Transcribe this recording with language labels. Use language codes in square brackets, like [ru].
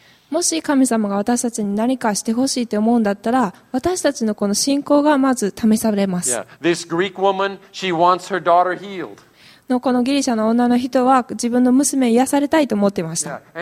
[ja] もし神様が私たちに何かしてほしいと思うんだったら、私たちのこの信仰がまず試されます。 [en] This Greek woman, she wants her daughter healed. [ja] のこのギリシャの女の人は自分の娘を癒されたいと思っていました。